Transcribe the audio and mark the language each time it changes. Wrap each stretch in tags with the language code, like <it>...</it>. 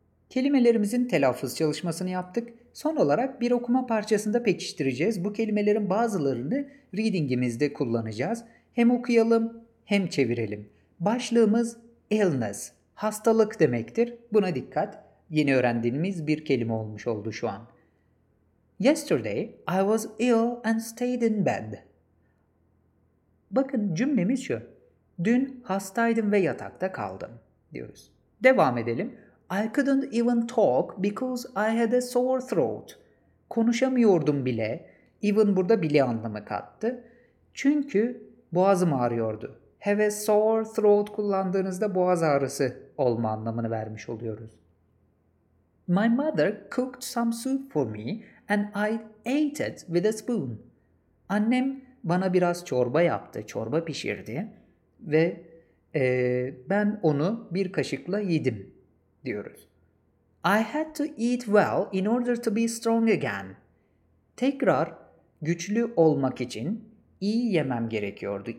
<tr>Kelimelerimizin telaffuz çalışmasını yaptık. Son olarak bir okuma parçasında pekiştireceğiz. Bu kelimelerin bazılarını readingimizde kullanacağız. Hem okuyalım hem çevirelim. Başlığımız illness, hastalık demektir. Buna dikkat. Yeni öğrendiğimiz bir kelime olmuş oldu şu an.</tr> <en>Yesterday I was ill and stayed in bed.</en> <tr>Bakın cümlemiz şu. Dün hastaydım ve yatakta kaldım diyoruz. Devam edelim.</tr> <en>I couldn't even talk because I had a sore throat.</en> <tr>Konuşamıyordum bile. Even burada bile anlamı kattı. Çünkü boğazım ağrıyordu.</tr> <en>Have a sore throat</en> <tr>kullandığınızda boğaz ağrısı olma anlamını vermiş oluyoruz.</tr> <en>My mother cooked some soup for me and I ate it with a spoon.</en> <tr>Annem bana biraz çorba yaptı, çorba pişirdi ve ben onu bir kaşıkla yedim diyoruz.</tr> <en>I had to eat well in order to be strong again.</en> <tr>Tekrar güçlü olmak için iyi yemem gerekiyordu.</tr>